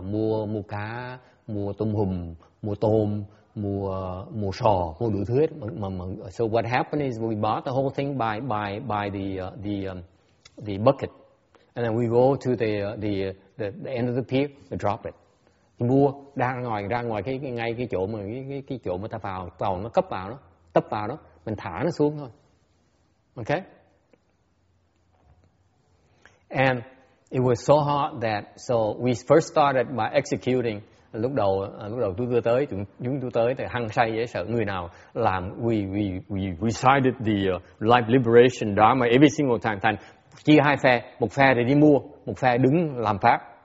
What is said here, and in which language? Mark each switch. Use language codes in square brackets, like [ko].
[vi] Mua cá, mua tôm hùm, mua tôm, mua sò, mua đủ thứ hết. [en] So what happened is we bought the whole thing by the bucket, and then we go to the end of the pier and drop it. [vi] Mua ra ngoài cái chỗ mà ta vào tàu, nó cấp vào đó, tấp vào đó, mình thả nó xuống thôi. [en] Okay, and it was so hot that so we first started by executing. [vi] Lúc đầu chúng tôi tới thì hăng say dễ sợ, người nào làm [en] we recited the life liberation dharma every single time. [vi] Thành chia hai phe, một phe thì đi mua, một phe đứng làm pháp.